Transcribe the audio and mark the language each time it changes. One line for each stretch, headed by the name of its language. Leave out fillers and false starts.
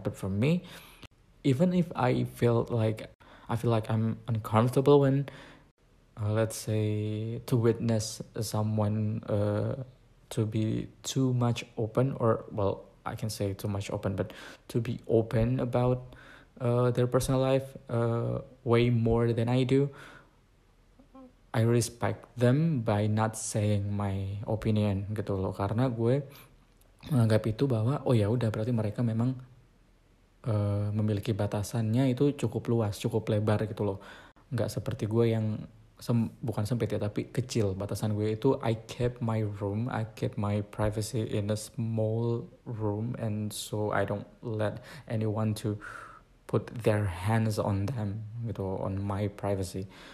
English: But for me, even if I feel like I'm uncomfortable when let's say to witness someone to be too much open, or well, I can say too much open, but to be open about their personal life way more than I do, I respect them by not saying my opinion
Indonesian: gitu loh. Karena gue menganggap itu bahwa oh ya udah, berarti mereka memang memiliki batasannya itu cukup luas, cukup lebar gitu loh. Enggak seperti gue yang bukan sempit ya, tapi kecil batasan gue itu.
English: I keep my room, I keep my privacy in a small room, and so I don't let anyone to put their hands on them gitu, on my privacy.